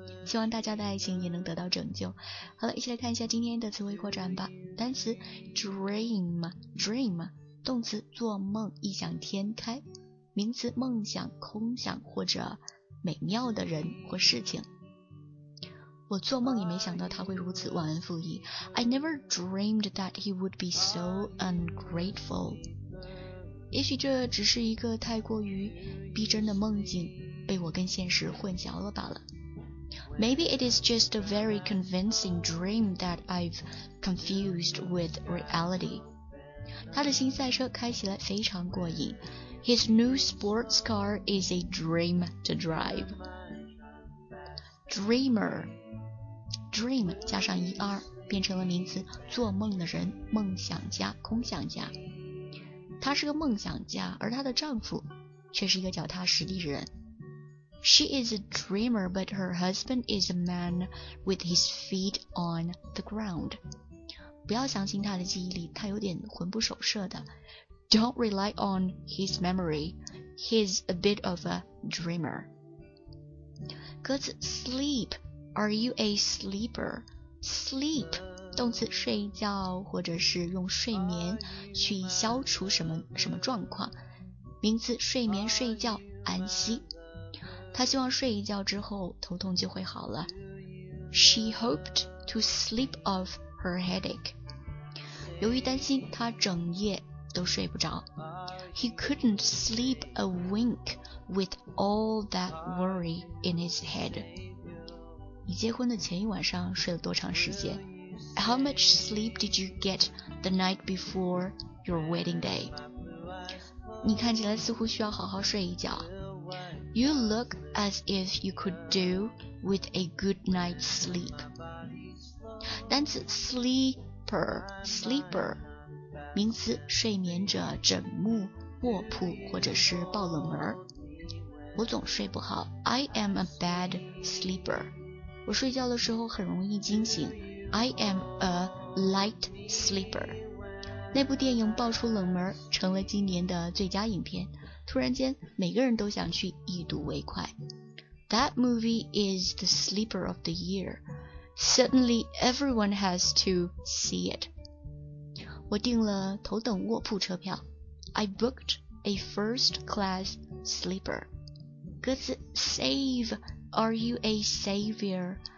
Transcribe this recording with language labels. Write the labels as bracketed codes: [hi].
[zh] 希望大家的爱情也能得到拯救。好了，一起来看一下今天的词汇扩展吧。单词 dream 动词做梦，异想天开，名词梦想、空想或者美妙的人或事情。我做梦也没想到他会如此忘恩负义。 [en] I never dreamed that he would be so ungrateful。 [zh] 也许这只是一个太过于逼真的梦境，被我跟现实混淆了罢了。 [en] Maybe it is just a very convincing dream that I've confused with reality. [zh] 他的新赛车开起来非常过瘾。 [en] His new sports car is a dream to drive. Dreamer. [zh] Dream 加上 er 变成了名词，做梦的人，梦想家，空想家。他是个梦想家，而他的丈夫却是一个脚踏实地的人。 [en] She is a dreamer, but her husband is a man with his feet on the ground. [zh] 不要相信他的记忆力，他有点魂不守舍的。 [en] Don't rely on his memory. He's a bit of a dreamer. 歌词 sleep, are you a sleeper? [zh] Sleep, 动词睡觉或者是用睡眠去消除什么什么状况。名词睡眠睡觉安息。她希望睡一觉之后头痛就会好了。 [en] She hoped to sleep off her headache. [zh] 由于担心她整夜都睡不着。 [en] He couldn't sleep a wink with all that worry in his head. [zh] 你结婚的前一晚上睡了多长时间？ [en] How much sleep did you get the night before your wedding day? [zh] 你看起来似乎需要好好睡一觉。 [en] You look as if you could do with a good night's sleep. [zh] 单词 sleeper, 名词睡眠者、枕木、卧铺或者是抱冷儿。我总睡不好。 [en] I am a bad sleeper. [zh] 我睡觉的时候很容易惊醒。 [en] I am a light sleeper. [zh] 那部电影爆出冷门，成了今年的最佳影片。突然间每个人都想去一睹为快。 [en] That movie is the sleeper of the year. Suddenly everyone has to see it. [zh] 我订了头等卧铺车票。 [en] I booked a first class sleeper. 歌词 save, are you a savior?